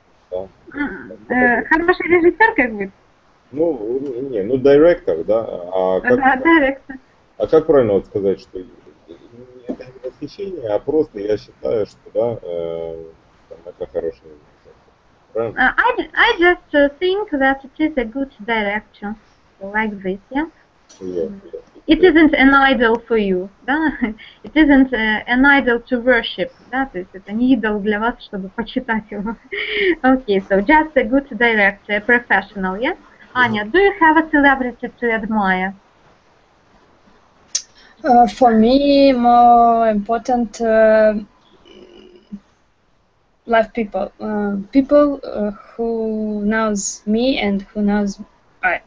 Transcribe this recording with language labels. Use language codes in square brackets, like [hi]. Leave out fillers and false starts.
[ru] Хороший режиссер, как бы? Ну, не, ну, директор, да? А как, да, директор. А как правильно вот сказать, что это не восхищение, а просто я считаю, что, да, там, это хороший режиссер. Правильно? [en] I just think that it is a good director, like this, yeah? It isn't an idol for you, да? It isn't an idol to worship, да? [ru] То есть это не идол для вас, чтобы почитать его. [en] Okay, so just a good director, a professional, yes? Аня, do you have a celebrity to admire? For me, more important life people. People who knows me and who knows I...